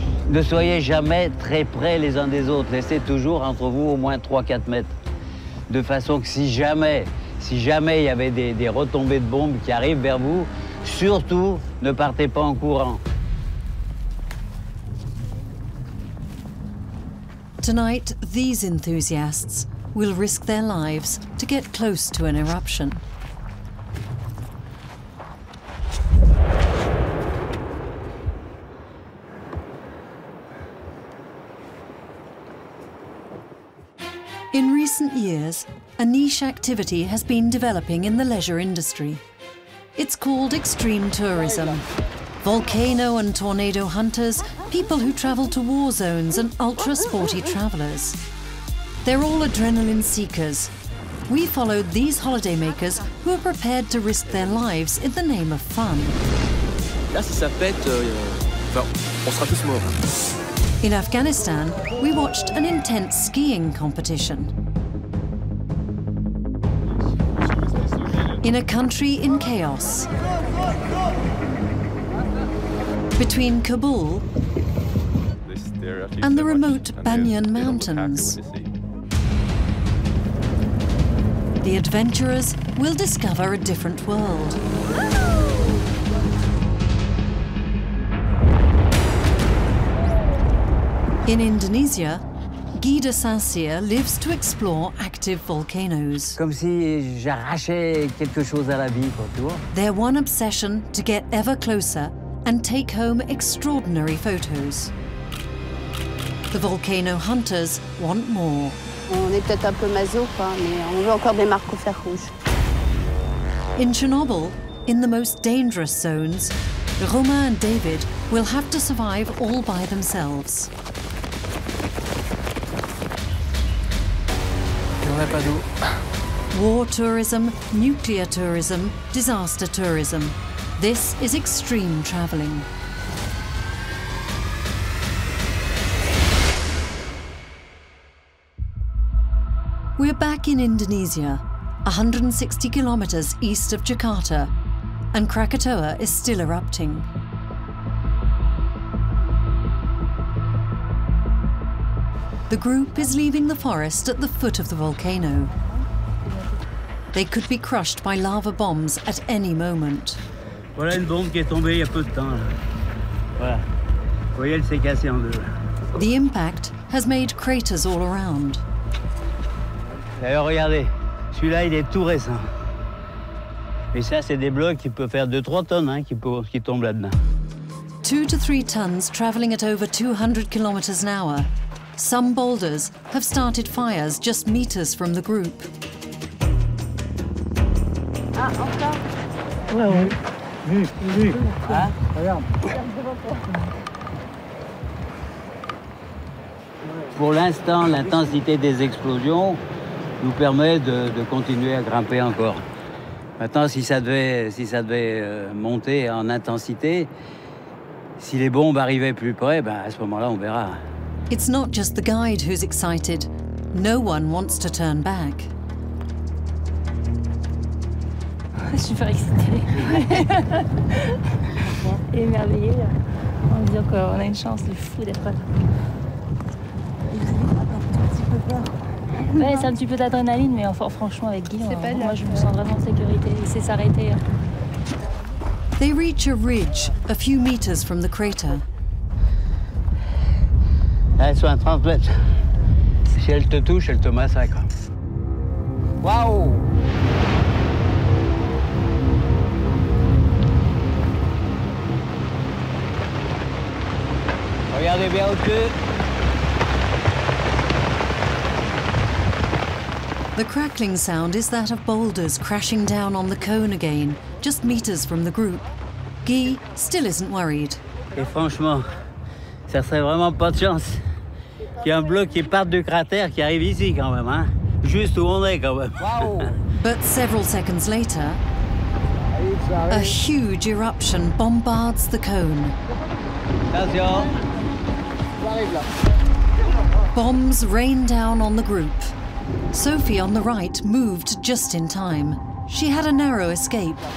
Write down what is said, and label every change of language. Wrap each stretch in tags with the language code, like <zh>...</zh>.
<fr>Ne soyez jamais très près les uns des autres. Laissez toujours entre vous au moins 3-4 mètres. De façon que si jamais il y avait des retombées de bombes qui arrivent vers vous, surtout ne partez pas en courant.</fr> <en>Tonight, these enthusiasts will risk their lives to get close to an eruption. In recent years, a niche activity has been developing in the leisure industry. It's called extreme tourism. Volcano and tornado hunters, people who travel to war zones, and ultra-sporty travelers. They're all adrenaline seekers. We followed these holidaymakers who are prepared to risk their lives in the name of fun.</en> <fr>Là, si ça pète, on sera tous morts.</fr> <en>In Afghanistan, we watched an intense skiing competition. In a country in chaos. Between Kabul and the remote Banyan Mountains. The adventurers will discover a different world. In Indonesia, Guy de Saint-Cyr lives to explore active volcanoes.</en> <fr>Comme si j'arrachais quelque chose à la vie, quoi, tu vois.</fr> <en>Their one obsession to get ever closer and take home extraordinary photos. The volcano hunters want more.</en> <fr>On est peut-être un peu maso, quoi, mais on veut encore des marques au fer rouge.</fr> <en>In Chernobyl, in the most dangerous zones, Romain and David will have to survive all by themselves. War tourism, nuclear tourism, disaster tourism. This is extreme traveling. We're back in Indonesia, 160 kilometers east of Jakarta, and Krakatoa is still erupting. The group is leaving the forest at the foot of the volcano. They could be crushed by lava bombs at any moment.</en> <fr>Voilà une bombe qui est tombée il y a peu de temps. Voilà. Vous voyez, elle s'est cassée en deux.</fr> <en>The impact has made craters all around.</en> <fr>D'ailleurs, regardez, celui-là, il est tout récent. Et ça, c'est des blocs qui peuvent faire 2-3 tonnes hein, qui tombent là-dedans.</fr> <en>2 to 3 tons traveling at over 200 kilometers an hour. Some boulders have started fires just meters from the group.</en> <fr>Ah, encore. Oui, oui. Pour l'instant, l'intensité des explosions nous permet de continuer à grimper encore. Maintenant, si ça devait monter en intensité, si les bombes arrivaient plus près, ben, à ce moment-là, on verra.</fr> <en>It's not just the guide who's excited. No one wants to turn back.</en> <fr>Je suis super excitée. Émerveillée. On va dire qu'on a une chance de fou d'être là. C'est un petit peu d'adrénaline, mais enfin, franchement, avec Guy, moi, je me sens vraiment en sécurité. Il sait s'arrêter.</fr> <en>They reach a ridge a few meters from the crater.</en> <fr>Elle est sur un 30 mètres. Si elle te touche, elle te massacre. Waouh! Regardez bien au-dessus.</fr> <en>The crackling sound is that of boulders crashing down on the cone again, just meters from the group. Guy still isn't worried.</en> <fr>Et franchement, ça serait vraiment pas de chance. Il y a un bloc qui part du cratère qui arrive ici quand même, hein? Juste où on est quand même. Wow.</fr> <en>But several seconds later, a huge eruption bombards the cone.</en> <fr>Attention.</fr> <en>Bombs rain down on the group. Sophie on the right moved just in time. She had a narrow escape.</en>